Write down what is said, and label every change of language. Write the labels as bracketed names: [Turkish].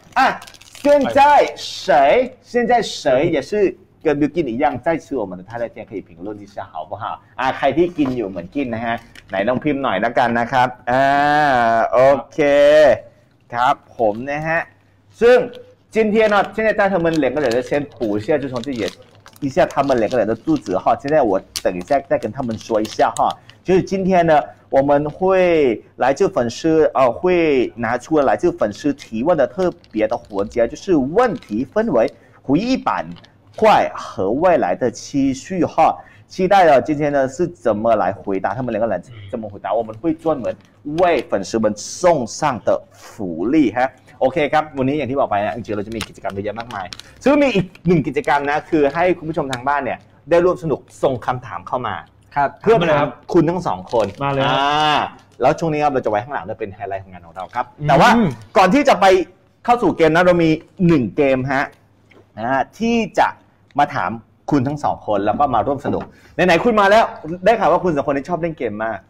[Chinese] 啊，现在谁也是跟 Milkin 一样在吃我们的泰勒天，可以评论一下好不好？ [Thai] 啊，ใครที่กินอยู่เหมือนกินนะฮะ，ไหนลองพิมพ์หน่อยละกันนะครับ。啊，OK，ครับผมนะฮะ。 ซึ่ง [Chinese] 今天呢，现在带他们两个人先补一下，就从这里。一下他们两个人的肚子哈，现在我等一下再跟他们说一下哈，就是今天呢，我们会来自粉丝会拿出来自粉丝提问的特别的环节，就是问题分为回忆板块和未来的期许哈，期待了今天呢是怎么来回答他们两个人怎么回答，我们会专门为粉丝们送上的福利哈。 [Thai] โอเคครับวันนี้อย่างที่บอกไปนะจริงๆเราจะมีกิจกรรมเยอะมากมายซึ่งมีอีกหนึ่งกิจกรรมนะคือให้คุณผู้ชมทางบ้านเนี่ยได้ร่วมสนุกส่งคำถามเข้ามา ครับ เพื่อมาคุณทั้งสองคน มาเลย แล้วช่วงนี้ครับเราจะไว้ข้างหลังจะเป็นไฮไลท์ของงานของเราครับแต่ว่าก่อนที่จะไปเข้าสู่เกมนะเรามีหนึ่งเกมฮะนะที่จะมาถามคุณทั้งสองคนแล้วก็มาร่วมสนุกไหนๆคุณมาแล้วได้ข่าวว่าคุณสองคนนี้ชอบเล่นเกมมาก